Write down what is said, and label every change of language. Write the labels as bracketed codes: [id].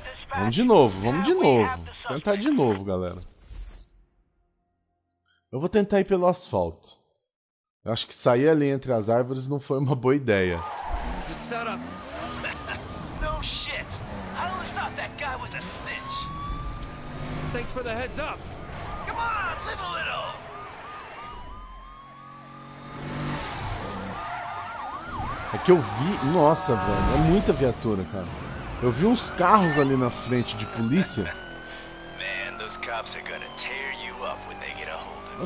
[pt] Vamos de novo, vamos de novo. Tentar de novo, galera. Eu vou tentar ir pelo asfalto. Eu acho que sair ali entre as árvores não foi uma boa ideia. [en] No shit. I always thought that guy was a snitch. Thanks for the heads up. Come on, live a little. [pt] É que eu vi, nossa, velho, é muita viatura, cara. Eu vi uns carros ali na frente de polícia. [en] Man, those cops are gonna tear you up when they get a hold of you.